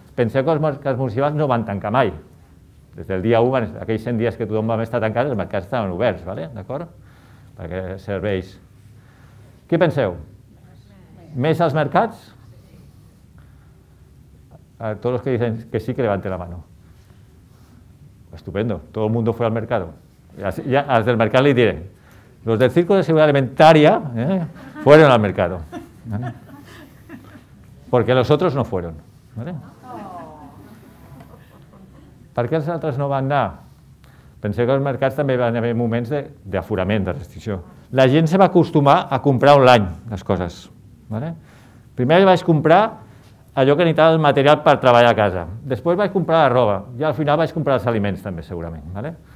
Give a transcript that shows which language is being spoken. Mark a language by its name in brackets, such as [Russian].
[Catalan] Penseu que els mercats municipals no van tancar mai. Des del dia 1, aquells 100 dies que tothom va estar tancat, els mercats estaven oberts, ¿vale? D'acord? Perquè serveis. Què penseu? Més als mercats? A tots els que diuen que sí, [Spanish] que levanten la mano. Estupendo, todo el mundo fue al mercado. [Catalan] Ya, als del mercat li diré. [Spanish] Los del Círculo de Seguridad Alimentaria fueron al mercado. ¿Vale? Porque los otros no fueron. ¿Vale? [Catalan] Per què els altres no van anar? Penseu que els mercats també van haver moments d'aforament, de restricció. La gent se va acostumar a comprar online les coses. ¿Vale? Primer vaig comprar allò que necessitava el material per treballar a casa. Després vaig comprar la roba i al final vaig comprar els aliments també, segurament. ¿Vale?